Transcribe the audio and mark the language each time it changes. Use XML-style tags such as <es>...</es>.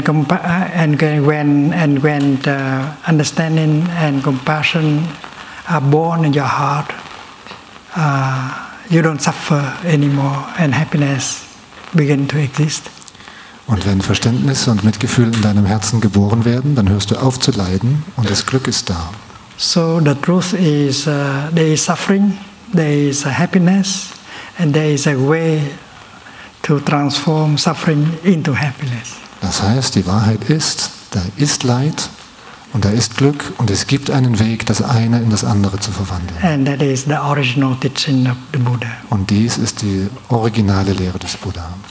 <en>And when understanding and compassion are born in your heart, you don't suffer anymore, and happiness begins to exist.</en> <de>Und wenn Verständnis und Mitgefühl in deinem Herzen geboren werden, dann hörst du auf zu leiden, und das Glück ist da.</de> <en>So the truth is, there is suffering, there is happiness, and there is a way to transform suffering into happiness.</en> <de>Das heißt, die Wahrheit ist, da ist Leid und da ist Glück, und es gibt einen Weg, das eine in das andere zu verwandeln.</de> <en>And that is the original teaching of the Buddha.</en> <de>Und dies ist die originale Lehre des Buddha.</de>